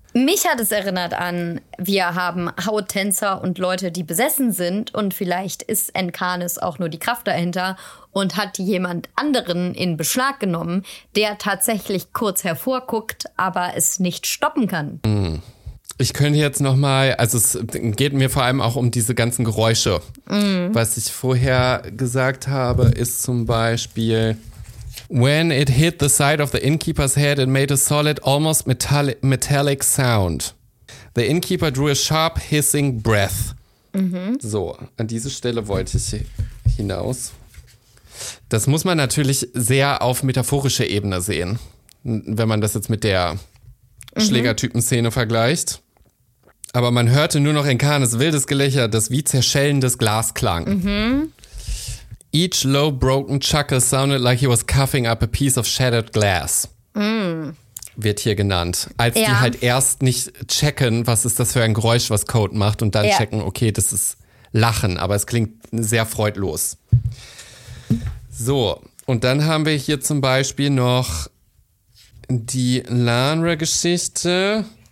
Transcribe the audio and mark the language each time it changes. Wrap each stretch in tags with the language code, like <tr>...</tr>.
<de>Mich hat es erinnert an, wir haben Hauttänzer und Leute, die besessen sind und vielleicht ist Enkanis auch nur die Kraft dahinter und hat jemand anderen in Beschlag genommen, der tatsächlich kurz hervorguckt, aber es nicht stoppen kann. Ich könnte jetzt nochmal, also es geht mir vor allem auch um diese ganzen Geräusche. Was ich vorher gesagt habe, ist zum Beispiel...</de> <en>When it hit the side of the innkeeper's head, it made a solid, almost metallic sound. The innkeeper drew a sharp, hissing breath.</en> <de>So, an diese Stelle wollte ich hinaus. Das muss man natürlich sehr auf metaphorischer Ebene sehen, wenn man das jetzt mit der Schlägertypen-Szene vergleicht. Aber man hörte nur noch Enkanis wildes Gelächter, das wie zerschellendes Glas klang.</de> <en>Each low broken chuckle sounded like he was coughing up a piece of shattered glass.</en> <de>Wird hier genannt. Als die halt erst nicht checken, was ist das für ein Geräusch, was Code macht, und dann checken, okay, das ist Lachen, aber es klingt sehr freudlos. So, und dann haben wir hier zum Beispiel noch die Lanre-Geschichte.</de>